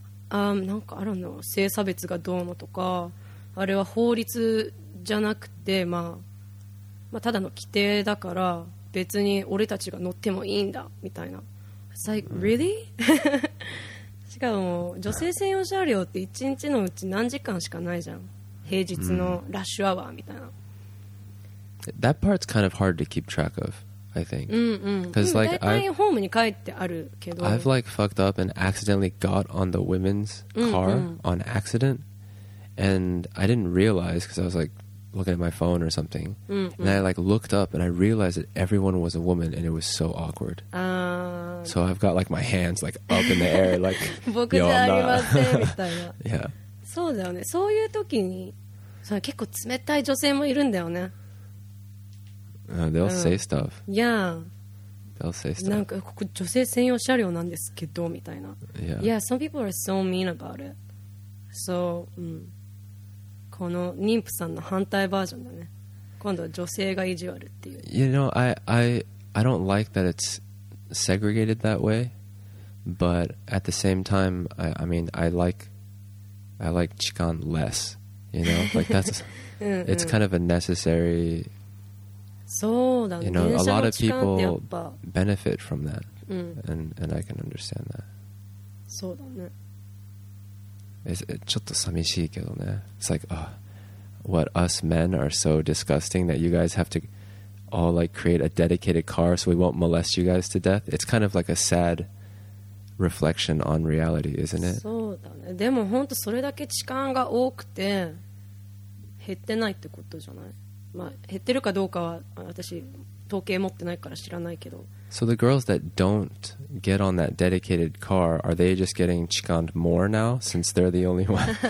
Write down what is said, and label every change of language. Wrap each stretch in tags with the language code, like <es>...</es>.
<ja>なんかあるの、性差別がどうのとか、あれは法律じゃなくて、まあ、ただの規定だから別に俺たちが乗ってもいいんだみたいな。</ja> <en>It's like, really?</en> <ja>しかも女性専用車両って一日のうち何時間しかないじゃん、平日のラッシュアワーみたいな。</ja> <en>That part's kind of hard to keep track of, I think. Because like</en> <ja>ホームに帰ってあるけど、</ja> <en>I've like fucked up and accidentally got on the women's car on accident, and I didn't realize because I was like looking at my phone or something, and I like looked up and I realized that everyone was a woman and it was so awkward. So I've got like my hands like up in the air like, yo, I'm not.</en> <ja>僕じゃありませんみたいな。</ja> <en>Yeah.</en> <ja>そうだよね。そういう時に、その結構冷たい女性もいるんだよね。</ja> <en>They'll say stuff. Yeah. They'll say stuff.</en> <ja>なんかここ女性専用車両なんですけどみたいな。</ja> <en>Yeah. Yeah. Some people are so mean about it.</en> <ja>So, この妊婦さんの反対バージョンだね。今度は女性が意地悪っていう。</ja> <en>You know, I don't like that it's segregated that way, but at the same time, I like 痴漢 less. You know, like that's it's kind of a necessary.</en> <ja>そうだね。</ja> <en>You know, a lot of people benefit from that, and I can understand that.</en> <ja>そうだね。ちょっと寂しいけどね。</ja> <en>It's like, what, us men are so disgusting that you guys have to all like create a dedicated car so we won't molest you guys to death? It's kind of like a sad reflection on reality, isn't it?</en> <ja>そうだね。でも本当それだけ痴漢が多くて減ってないってことじゃない？まあ、減ってるかどうかは私統計持ってないから知らないけど。</ja> <en>So the girls that don't get on that dedicated car, are they just getting chikaned more now since they're the only one?</en>